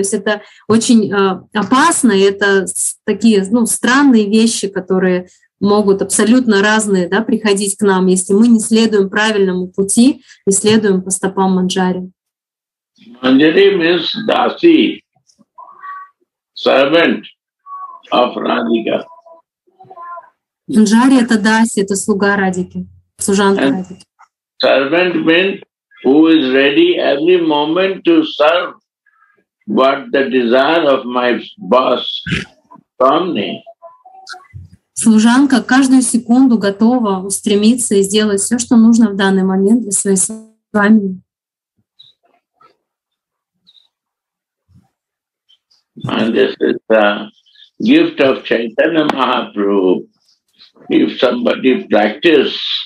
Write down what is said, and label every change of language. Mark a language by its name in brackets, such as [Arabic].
[Russian] То есть это очень опасно, и это такие, ну, странные вещи, которые могут абсолютно разные, да, приходить к нам, если мы не следуем правильному пути, не следуем по стопам Манджари. [English] Манджари means Dasi, servant of Radhika. [Russian] Манджари — это Даси, это слуга Радики, служанка Радики. [English] Servant means who is ready every moment to serve what the desire of my boss, Tomne. [Russian] Служанка каждую секунду готова устремиться и сделать все, что нужно в данный момент для своей свами. [English] And this is the gift of Chaitanya Mahaprabhu. If somebody practices